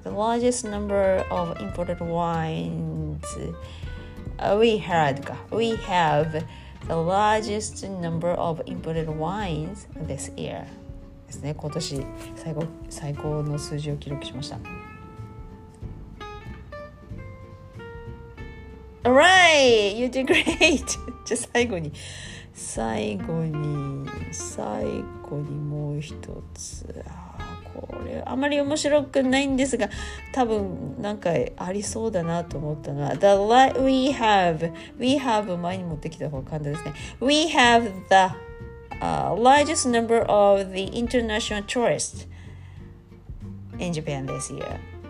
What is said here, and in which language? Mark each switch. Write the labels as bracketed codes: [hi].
[en] The largest number of imported wines we had か。 We have the largest number of imported wines this year。 [ja] ですね。今年最高の数字を記録しました。 [en] Alright, you did great. [ja] じゃあ最後にもう一つ。これあまり面白くないんですが、多分なんかありそうだなと思ったのは、 [en] The light we have, we have [ja] 前に持ってきた方が簡単ですね。 [en] We have the、largest number of the international tourists in Japan this year.